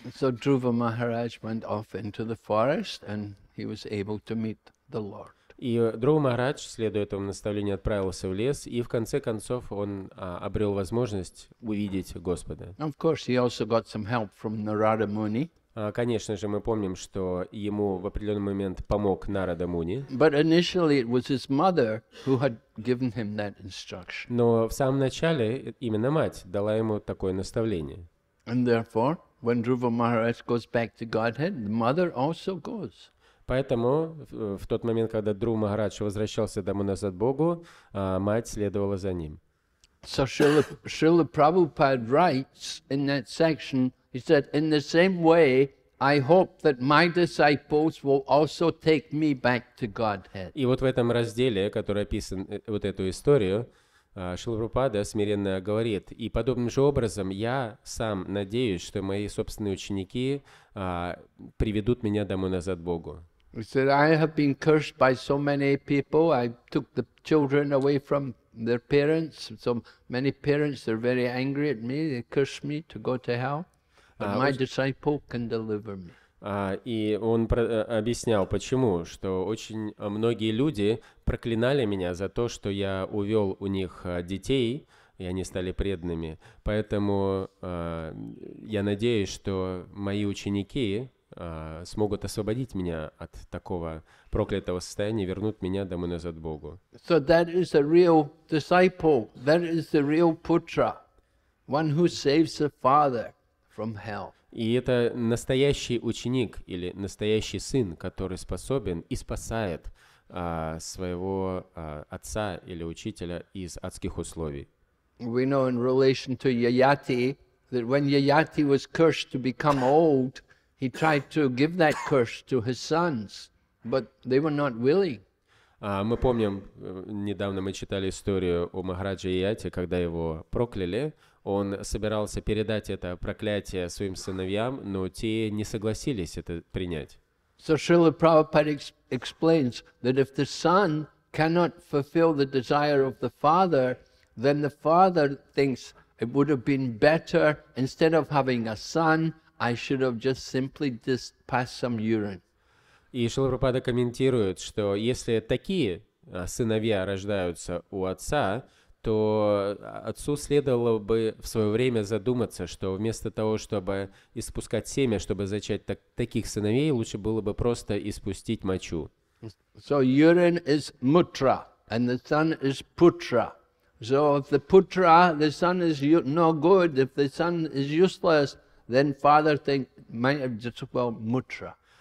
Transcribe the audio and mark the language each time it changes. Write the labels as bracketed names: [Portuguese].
[English] So Dhruva Maharaj went off into the forest, and he was able to meet the Lord. [Russian] И Dhruva Maharaj, следуя этому наставлению, отправился в лес, и в конце концов он обрел возможность увидеть Господа. [English] Of course, he also got some help from Narada Muni. [Russian] Конечно же, мы помним, что ему в определенный момент помог Нарада Муни. [English] But initially it was his mother who had given him that instruction. [Russian] Но в самом начале именно мать дала ему такое наставление. [English] And therefore, when Dhruva Maharaj goes back to Godhead, the mother also goes. [Russian] Поэтому в тот момент, когда Dhruva Maharaj возвращался домой назад к Богу, мать следовала за ним. [English] So Srila Prabhupada writes in that section, he said, "In the same way, I hope that my disciples will also take me back to Godhead." [Russian] И вот в этом разделе, который описан вот эту историю, Шрила Прабхупада смиренно говорит: "И подобным же образом я сам надеюсь, что мои собственные ученики приведут меня домой назад к Богу." [English] He said, "I have been cursed by so many people. I took the children away from their parents. So many parents are very angry at me. They cursed me to go to hell. But my disciple can deliver me." [Russian] И он объяснял, почему, что очень многие люди проклинали меня за то, что я увел у них детей, и они стали преданными. Поэтому я надеюсь, что мои ученики смогут освободить меня от такого проклятого состояния, вернут меня домой назад к Богу. [English] So that is a real disciple. That is the real putra, one who saves the father from hell. [Russian] И это настоящий ученик или настоящий сын, который способен и спасает своего отца или учителя из адских условий. [English] We know in relation to Yayati that when Yayati was cursed to become old, he tried to give that curse to his sons, but they were not willing. [Russian] Мы помним, недавно мы читали историю о Махараджа Яти, когда его прокляли. Он собирался передать это проклятие своим сыновьям, но те не согласились это принять. [English] So Srila Prabhupada explains that if the son cannot fulfill the desire of the father, then the father thinks it would have been better instead of having a son, I should have just simply just passed some urine. [Russian] И Шрила Прабхупада комментирует, что если такие сыновья рождаются у отца, то отцу следовало бы в свое время задуматься, что вместо того, чтобы испускать семя, чтобы зачать таких сыновей, лучше было бы просто испустить мочу. [English] So urine is mutra, and the son is putra. So if the putra, the son is no good, if the son is useless, then father think might have just well mutra.